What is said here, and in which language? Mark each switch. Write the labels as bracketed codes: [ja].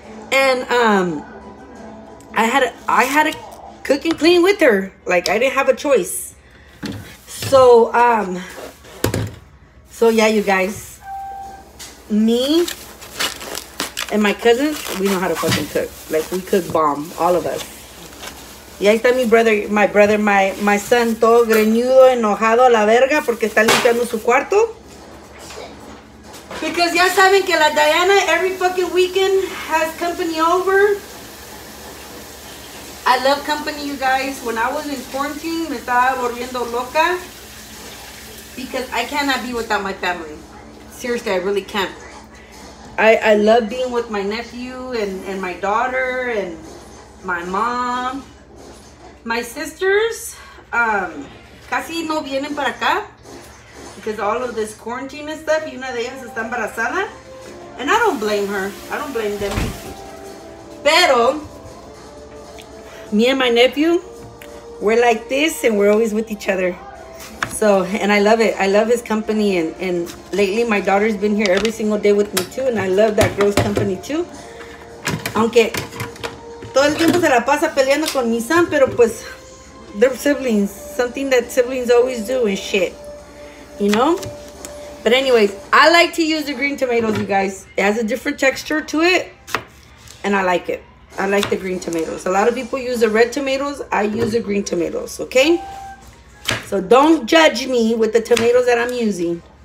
[en] And I had a cook and clean with her. Like, I didn't have a choice. So yeah, you guys. Me and my cousins, we know how to fucking cook. Like, we cook bomb, all of us. [es] Y ahí está mi brother, [en] my son, [es] todo greñudo, enojado a la verga, porque está limpiando su cuarto. [en] Because [es] ya saben que la Diana, [en] every fucking weekend, has company over. I love company, you guys. When I was in quarantine, [es] me estaba volviendo loca. [en] Because I cannot be without my family. Seriously, I really can't. I love being with my nephew and my daughter and my mom. My sisters, [es] casi no vienen para acá. [en] Because all of this quarantine and stuff, [es] y una de ellas está embarazada. [en] And I don't blame her. I don't blame them. Pero, me and my nephew, we're like this and we're always with each other. So, and I love it. I love his company. And lately, my daughter's been here every single day with me, too. And I love that girl's company, too. [es] Aunque todo el tiempo se la pasa peleando con mi son, pero pues, [en] they're siblings. Something that siblings always do and shit. You know? But anyways, I like to use the green tomatoes, you guys. It has a different texture to it. And I like it. I like the green tomatoes. A lot of people use the red tomatoes. I use the green tomatoes, okay? So don't judge me with the tomatoes that I'm using.